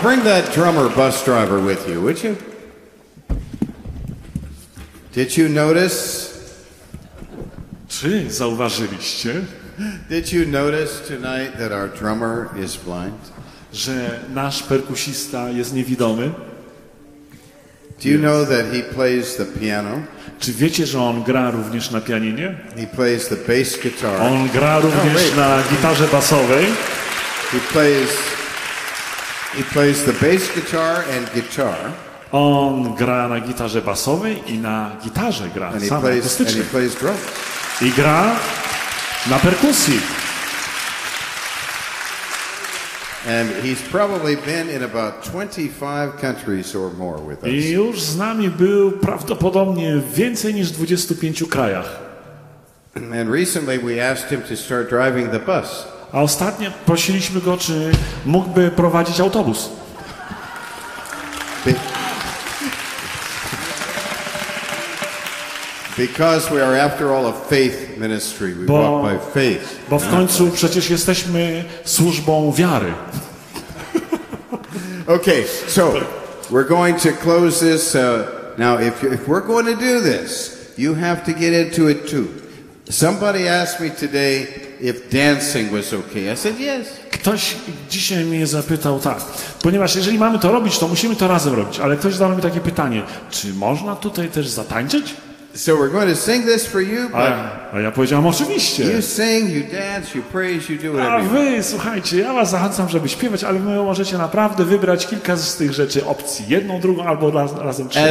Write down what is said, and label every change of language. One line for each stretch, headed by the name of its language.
English: Bring that drummer bus driver with you, would you? Did you notice?
Polish: Czy zauważyliście?
English: Did you notice tonight that our drummer is blind?
Polish: Że nasz perkusista jest niewidomy?
English: Do you know that he plays the piano?
Polish: Czy wiecie, że on gra również na pianinie?
English: He plays the bass guitar.
Polish: On gra również na gitarze basowej.
English: He plays the bass guitar and guitar.
Polish: On gra na gitarze basowej i na gitarze gra sam akustycznie.
English: And he plays drums.
Polish: I gra na perkusji.
English: And he's probably been in about 25 countries or more with us.
Polish: I już z nami był prawdopodobnie więcej niż w 25 krajach.
English: And recently we asked him to start driving the bus.
Polish: A ostatnio prosiliśmy go, czy mógłby prowadzić autobus.
English: Because we are after all a faith ministry. We walk by faith.
Polish: Bo w końcu przecież jesteśmy służbą wiary.
English: Okay, so we're going to close this. Now, if we're going to do this, you have to get into it too. Somebody asked me today if dancing was okay. I said yes.
Polish: Ktoś dzisiaj mnie zapytał tak, ponieważ jeżeli mamy to robić, to musimy to razem robić, ale ktoś zadał mi takie pytanie, czy można tutaj też zatańczyć?
English: So we're going to sing this for you, but
Polish: a ja powiedziałam oczywiście.
English: You sing, you dance, you praise, you do whatever.
Polish: A wy, słuchajcie, ja was zachęcam, żeby śpiewać, ale wy możecie naprawdę wybrać kilka z tych rzeczy opcji, jedną, drugą albo razem trzy.